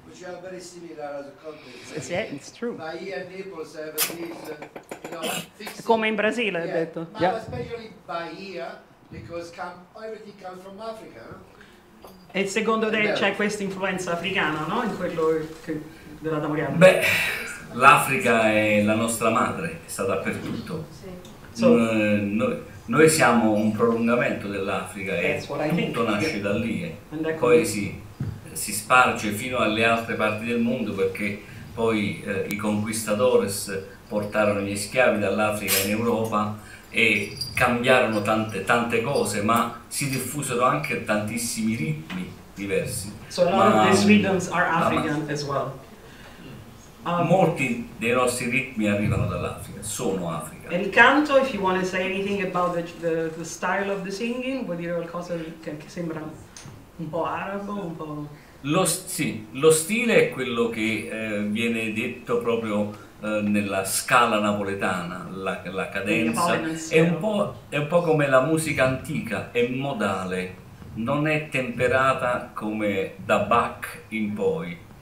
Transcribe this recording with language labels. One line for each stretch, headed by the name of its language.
English: Which are very similar as a country. Yeah, it's true. Bahia, Naples have these,
Italian: come in Brasile,
English: yeah.
Italian: Hai detto. Ma
English: yeah. Especially Bahia, because everything comes from Africa.
Italian: E secondo te c'è questa influenza africana, no? In quello che, della Tammorriata? Beh, l'Africa è la nostra madre, è stata dappertutto. Sì. So, noi siamo un prolungamento dell'Africa e tutto nasce da lì. Poi sì. Si sparge fino alle altre parti del mondo perché poi i conquistadores portarono gli schiavi dall'Africa in Europa e cambiarono tante cose, ma si diffusero anche tantissimi ritmi diversi.
English: So a lot of these rhythms are African as well.
Italian: Molti dei nostri ritmi arrivano dall'Africa, sono Africa. E il canto, if you want to say anything about the style of the singing, vuol dire qualcosa che sembra un po' arabo, un po'... Lo stile è quello che viene detto proprio nella scala napoletana, la cadenza, è un po' come la musica antica, è modale, non è temperata come da Bach in poi.